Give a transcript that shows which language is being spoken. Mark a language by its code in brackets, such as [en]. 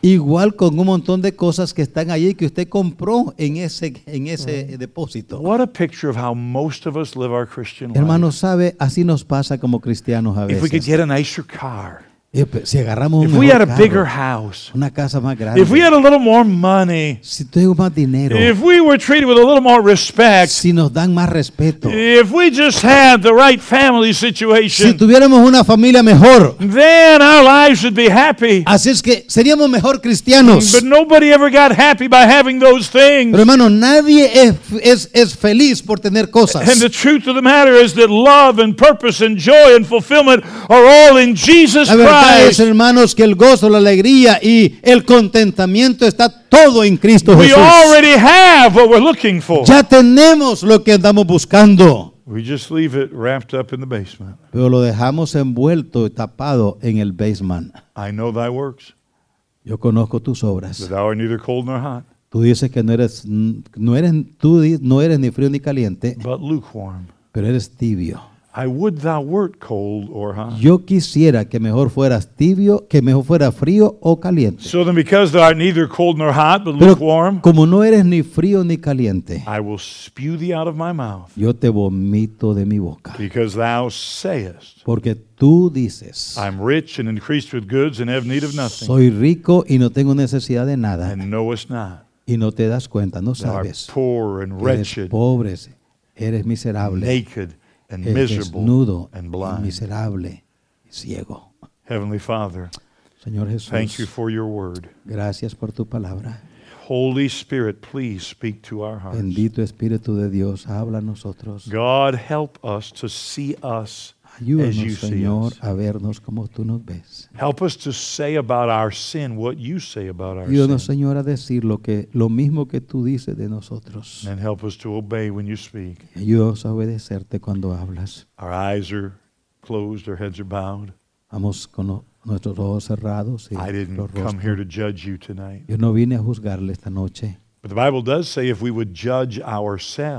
[es] Igual con un montón de cosas que están allí que usted compró en ese depósito. [en] What a picture of how most of us live our Christian life. [es] Hermano, sabe, así nos pasa como cristianos a veces. [en] If we could get a nicer car. [es] Si agarramos un [en] if we had a bigger house, [es] una casa más grande, [en] if we had a little more money, [es] si tuviéramos más dinero, [en] if we were treated with a little more respect, [es] si nos dan más respeto, [en] if we just had the right family situation, [es] si tuviéramos una familia mejor, [en] then our lives would be happy. [es] Así es que seríamos mejor cristianos. [en] But nobody ever got happy by having those things. [es] Pero hermano, nadie es feliz por tener cosas. [en] And the truth of the matter is that love and purpose and joy and fulfillment are all in Jesus Christ. [es] Es, hermanos, que el gozo, la alegría y el contentamiento está todo en Cristo Jesús. [en] We already have what we're looking for. [es] Ya tenemos lo que andamos buscando. [en] We just leave it wrapped up in the basement. [es] Pero lo dejamos envuelto y tapado en el basement. [en] I know thy works. [es] Yo conozco tus obras. [en] That thou art neither cold nor hot. [es] Tú dices que no eres ni frío ni caliente. [en] But lukewarm. [es] Pero eres tibio. [en] I would thou wert cold or hot. [es] Yo quisiera que mejor fueras tibio, que mejor fuera frío o caliente. [en] So then because thou art neither cold nor hot, but lukewarm, [es] como no eres ni frío ni caliente, [en] I will spew thee out of my mouth. [es] Yo te vomito de mi boca. [en] Because thou sayest, [es] porque tú dices, [en] I'm rich and increased with goods and have need of nothing. [es] Soy rico y no tengo necesidad de nada. [en] And knowest not. [es] Y no te das cuenta, no sabes. [en] Thou art poor and wretched. [es] Eres pobre, eres miserable. [en] Naked. And miserable [es] desnudo, [en] and blind. [es] Miserable, ciego. [en] Heavenly Father, [es] Señor Jesús, [en] thank you for your word. [es] Gracias por tu palabra. [en] Holy Spirit, please speak to our hearts. [es] Bendito Espíritu de Dios, habla a nosotros. [en] God, help us to see us [es] ayúdanos, [en] as you [es] Señor, [en] see us. [es] Ayúdanos, Señor, a vernos como tú nos ves. [en] Help us to say about our sin what you say about our [es] ayúdanos, Ayúdanos, Señor, a decir lo mismo que tú dices de nosotros. [en] And help us to obey when you speak. [es] Ayúdanos a obedecerte cuando hablas. [en] Our eyes are closed, our heads are bowed. [es] Vamos con nuestros ojos cerrados y [en] I didn't come here to judge you tonight. [es] Yo no vine a juzgarle esta noche. [en] But the Bible does say if we would judge ourselves,